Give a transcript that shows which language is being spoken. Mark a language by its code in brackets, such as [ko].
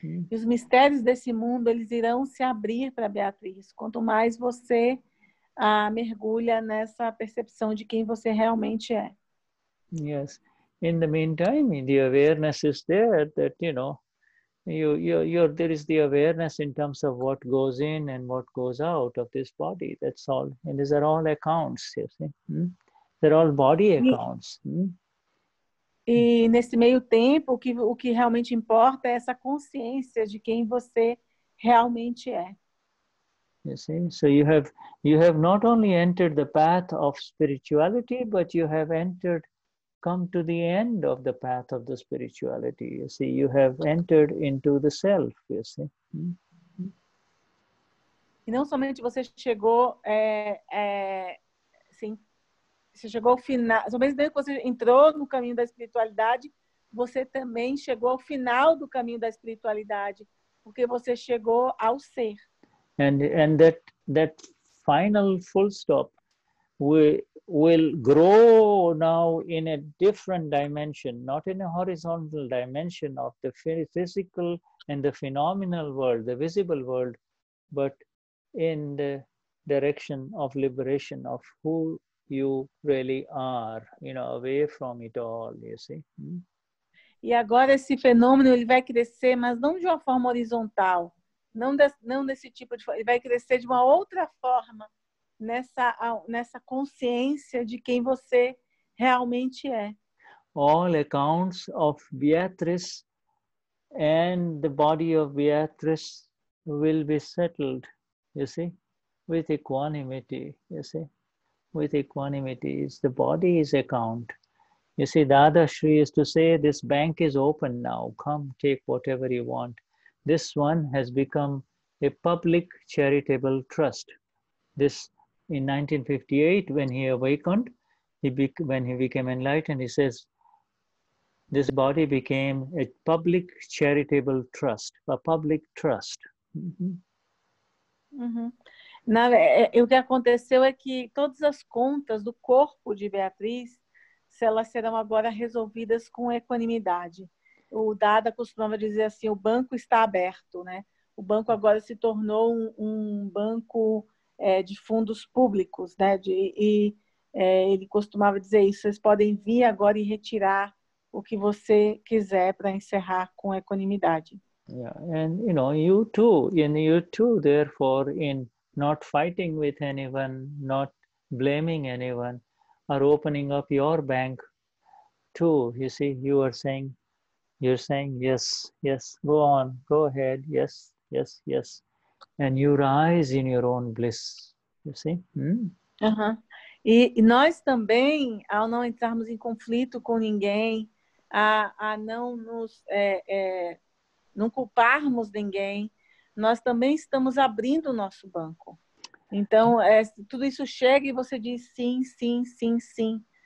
[pt] Os mistérios desse mundo, eles irão se abrir para Beatriz, quanto mais você mergulha nessa percepção de quem você realmente é. [en] Yes. In the meantime, the awareness is there that, you know, there is the awareness in terms of what goes in and what goes out of this body. That's all. And these are all accounts, you see. They're all body accounts. [pt] E nesse meio tempo, o que realmente importa é essa consciência de quem você realmente é. [en] You see? So you have not only entered the path of spirituality, but you have entered... come to the end of the path of the spirituality, you see. You have entered into the self, you see. [pt] E não somente você chegou, você chegou ao final, somente depois que você entrou no caminho da espiritualidade, você também chegou ao final do caminho da espiritualidade, porque você chegou ao ser. [en] And that final full stop, we will grow now in a different dimension, not in a horizontal dimension of the physical and the phenomenal world, the visible world, but in the direction of liberation of who you really are, you know, away from it all, you see. [pt] E agora esse fenômeno ele vai crescer, mas não de uma forma horizontal, ele vai crescer de uma outra forma nessa consciência de quem você realmente é. [en] All accounts of Beatrice and the body of Beatrice will be settled, you see, with equanimity, you see. With equanimity, it's the body's account. You see, Dada Shri is to say, this bank is open now. Come, take whatever you want. This one has become a public charitable trust. This, in 1958, when he awakened, when he became enlightened, he says, this body became a public charitable trust, a public trust. Uhum. [pt] O que aconteceu é que todas as contas do corpo de Beatriz, elas serão agora resolvidas com equanimidade. O Dada costumava dizer assim, o banco está aberto, né? O banco agora se tornou um banco de fundos públicos, né? Ele costumava dizer isso, vocês podem vir agora e retirar o que você quiser para encerrar com equanimidade. [en] Yeah, and you know, you too, and you too, therefore, in not fighting with anyone, not blaming anyone, are opening up your bank too. You see, you're saying, yes, yes, go on, go ahead, yes, yes, yes. And you rise in your own bliss, you see. Uh-huh. [pt] E nós também, ao não entrarmos em conflito com ninguém, a não nos não culparmos ninguém, nós também estamos abrindo o nosso banco. Então, tudo isso chega e você diz sim, sim, sim, sim.